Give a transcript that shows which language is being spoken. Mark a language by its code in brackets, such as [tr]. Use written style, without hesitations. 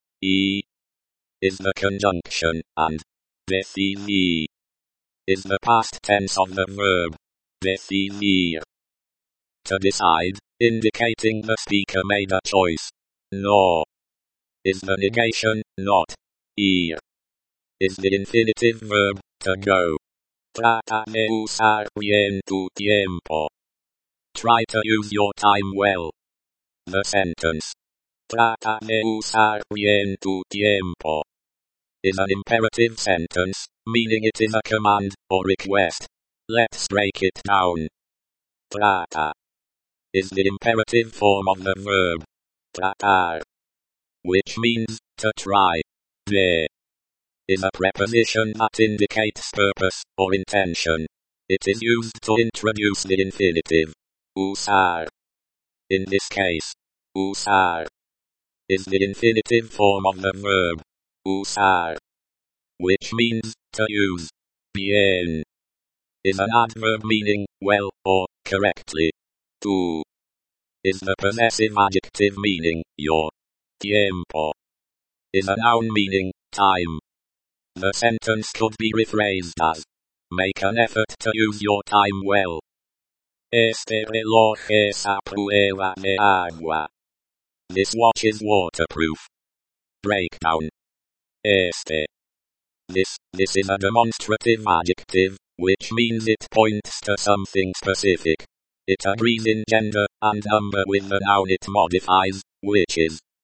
[en] E is the conjunction, and decidir is the past tense of the verb. Decidir. To decide, indicating the speaker made a choice. No is the negation, not. Ir is the infinitive verb, to go. [es] Trata de usar bien tu tiempo. [en] Try to use your time well. The sentence. Trata de usar bien tu tiempo is an imperative sentence, meaning it is a command or request. Let's break it down. Trata is the imperative form of the verb tratar, which means to try. De is a preposition that indicates purpose or intention. It is used to introduce the infinitive. Usar. In this case, usar is the infinitive form of the verb usar, which means to use. Bien is an adverb meaning well or correctly. Tu is the possessive adjective meaning your. Tiempo is a noun meaning time. The sentence could be rephrased as, make an effort to use your time well. [es] Este reloj es a prueba de agua. [en] This watch is waterproof. Breakdown. Este. This is a demonstrative adjective, which means it points to something specific. It agrees in gender and number with the noun it modifies, which is